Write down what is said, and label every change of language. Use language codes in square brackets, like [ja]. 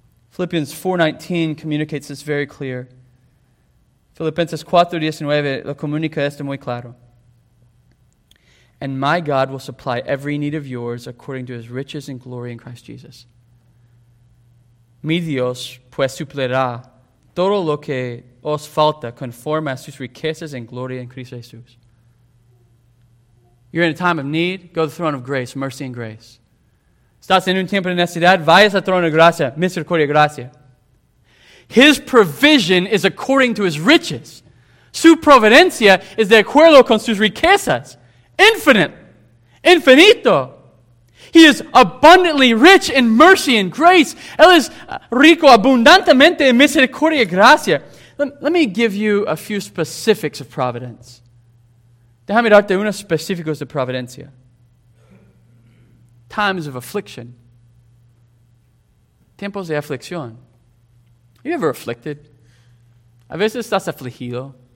[en] Philippians 4:19 communicates this very clear. [es] Filipenses 4:19 lo comunica esto muy claro. [en] And my God will supply every need of yours according to His riches and glory in Christ Jesus. [es] Mi Dios pues suplirá todo lo que os falta conforme a sus riquezas en gloria en Cristo Jesús. [en] You're in a time of need, go to the throne of grace, mercy and grace. [es] Estás en un tiempo de necesidad, vayas al trono de gracia, misericordia y gracia. [en] His provision is according to His riches. [es] Su providencia es de acuerdo con sus riquezas. [en] Infinite. Infinito. He is abundantly rich in mercy and grace. [es] Él es rico abundantemente en misericordia y gracia. [en] Let me give you a few specifics of providence. [es] Déjame darte unos específicos de providencia. [en] Times of affliction. [es] Tiempos de aflicción. [en] Are you ever afflicted? [es] A veces estás afligido.